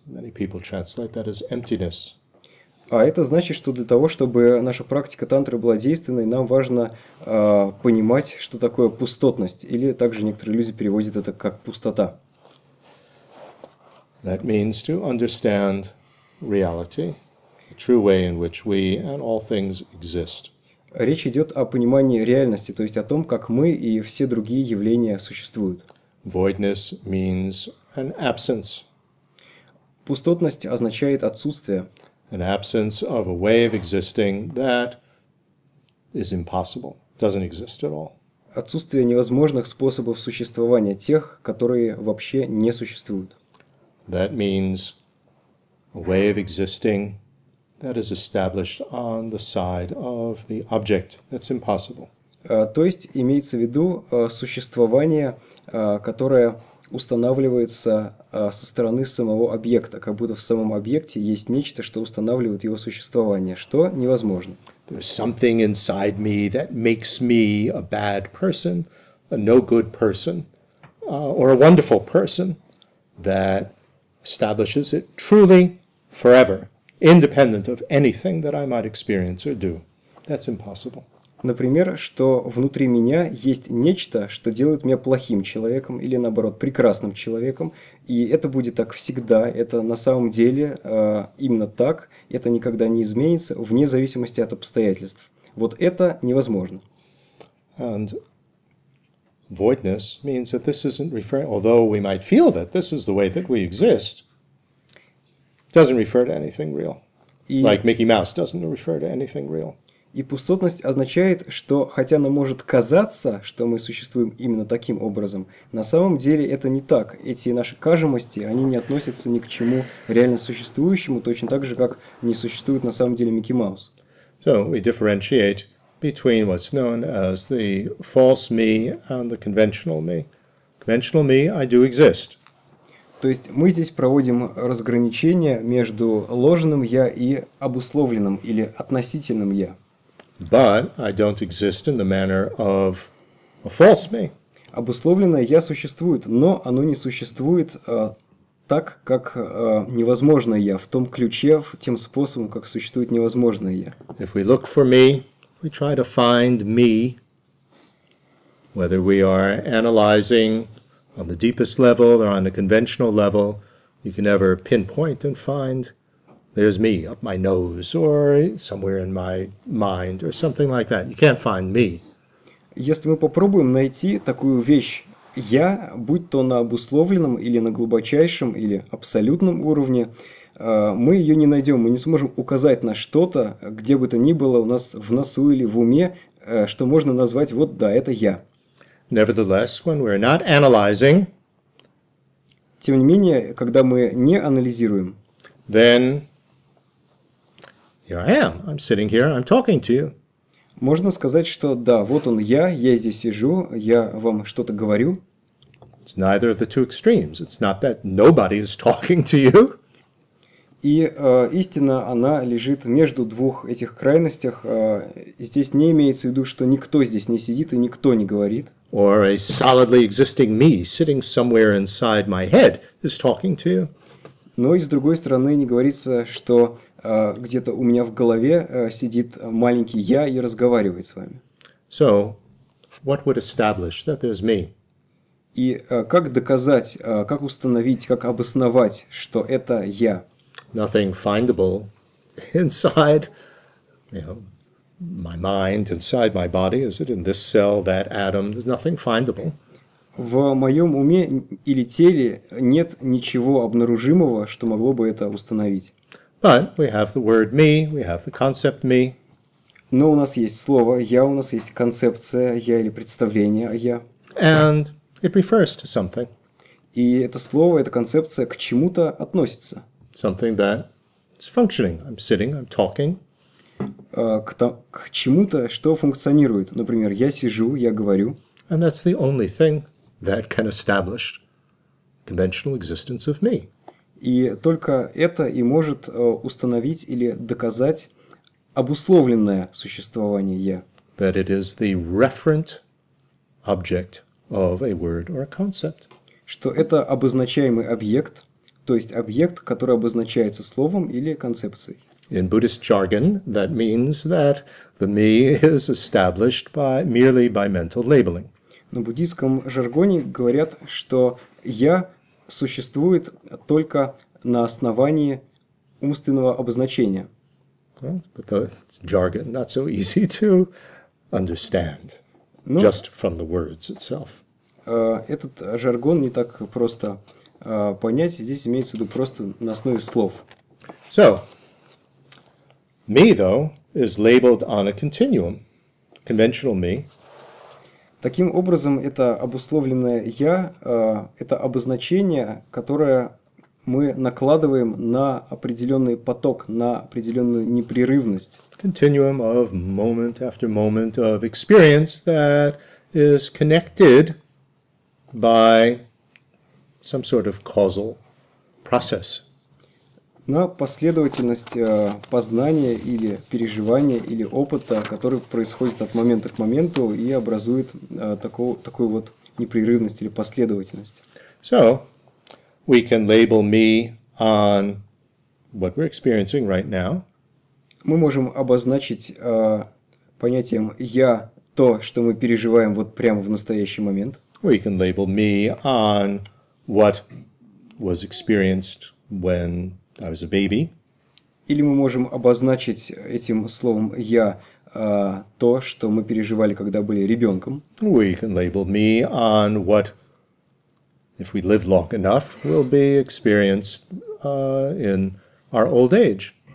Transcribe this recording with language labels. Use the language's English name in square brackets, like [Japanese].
[English] Many people translate that as emptiness. [Russian] А это значит, что для того, чтобы наша практика тантры была действенной, нам важно понимать, что такое пустотность, или также некоторые люди переводят это как пустота. [English] That means to understand reality, the true way in which we and all things exist. [Russian] Речь идет о понимании реальности, то есть о том, как мы и все другие явления существуют. [English] Voidness means an absence. [Russian] Пустотность означает отсутствие. [English] An absence of a way of existing that is impossible, doesn't exist at all. [Russian] Отсутствие невозможных способов существования, тех, которые вообще не существуют. [English] That means a way of existing that is established on the side of the object, that's impossible. [Russian] То есть имеется в виду существование, которое устанавливается со стороны самого объекта, как будто в самом объекте есть нечто, что устанавливает его существование, что невозможно. [English] There's something inside me that makes me a bad person, a no good person, or a wonderful person, that establishes it truly forever, independent of anything that I might experience or do. That's impossible. [Russian] Например, что внутри меня есть нечто, что делает меня плохим человеком или, наоборот, прекрасным человеком, и это будет так всегда, это на самом деле именно так, это никогда не изменится, вне зависимости от обстоятельств. Вот это невозможно. [English] And voidness means that this isn't referring, although we might feel that this is the way that we exist, doesn't refer to anything real. Like Mickey Mouse doesn't refer to anything real. [Russian] И пустотность означает, что хотя нам может казаться, что мы существуем именно таким образом, на самом деле это не так. Эти наши кажемости, они не относятся ни к чему реально существующему, точно так же, как не существует на самом деле Микки Маус. [English] So we differentiate between what's known as the false me and the conventional me. Conventional me, I do exist. [Russian] То есть мы здесь проводим разграничение между ложным я и обусловленным или относительным я. [English] But I don't exist in the manner of a false me. [Russian] Обусловленное я существует, но оно не существует так, как невозможное я, в том ключе, в тем способом, как существует невозможное я. [English] If we look for me, we try to find me, whether we are analyzing on the deepest level or on the conventional level, you can never pinpoint and find there's me up my nose or somewhere in my mind or something like that. You can't find me. [Russian] Если мы попробуем найти такую вещь «я», будь то на обусловленном или на глубочайшем или абсолютном уровне, мы ее не найдем, мы не сможем указать на что-то, где бы то ни было у нас в носу или в уме, что можно назвать «вот да, это я». [English] Nevertheless, when we're not analyzing, [Russian] тем не менее, когда мы не анализируем, [English] then here I am. I'm sitting here. I'm talking to you. [Russian] Можно сказать, что да, вот он я здесь сижу, я вам что-то говорю. [English] It's neither of the two extremes. It's not that nobody is talking to you. [Russian] И истина, она лежит между двух этих крайностях. Здесь не имеется в виду, что никто здесь не сидит и никто не говорит. [English] Or a solidly existing me sitting somewhere inside my head is talking to you. [Russian] Но и с другой стороны не говорится, что где-то у меня в голове сидит маленький я и разговаривает с вами. [English] So, what would establish that there's me? [Russian] И как доказать, как установить, как обосновать, что это я? [English] Nothing findable inside, my mind, inside my body. Is it in this cell, that atom? There's nothing findable. [Russian] В моем уме или теле нет ничего обнаружимого, что могло бы это установить. [English] But we have the word me, we have the concept me. [Russian] Но у нас есть слово «я», у нас есть концепция «я» или представление «я». [English] And It refers to something. [Russian] И это слово, эта концепция к чему-то относится. [English] Something that is functioning. I'm sitting, I'm talking. [Russian] К чему-то, что функционирует. Например, я сижу, я говорю. [English] And that's the only thing that can establish conventional existence of me. [Russian] И только это и может установить или доказать обусловленное существование я. [English] That it is the referent object of a word or a concept. [Russian] Что это обозначаемый объект, то есть объект, который обозначается словом или концепцией. [English] In Buddhist jargon, that means that the me is established by merely by mental labeling. [Russian] На буддийском жаргоне говорят, что я существует только на основании умственного обозначения. [English] But the jargon not so easy to understand, no, just from the words itself. [Russian] Этот жаргон не так просто понять. Здесь имеется в виду просто на основе слов. [English] So, me, though, is labeled on a continuum. Conventional me. [Russian] Таким образом, это обусловленное «я» — это обозначение, которое мы накладываем на определенный поток, на определенную непрерывность. [English] Continuum of moment after moment of experience that is connected by some sort of causal process. [Russian] На последовательность познания или переживания или опыта, который происходит от момента к моменту и образует такую вот непрерывность или последовательность. [English] So, we can label me on what we're experiencing right now. [Russian] Мы можем обозначить понятием «я» то, что мы переживаем вот прямо в настоящий момент. [English] We can label me on what was experienced when I was a baby. [Russian] Или мы можем обозначить этим словом «я» то, что мы переживали, когда были ребенком. [English] We can label me on what, if we live long enough, will be experienced in our old age.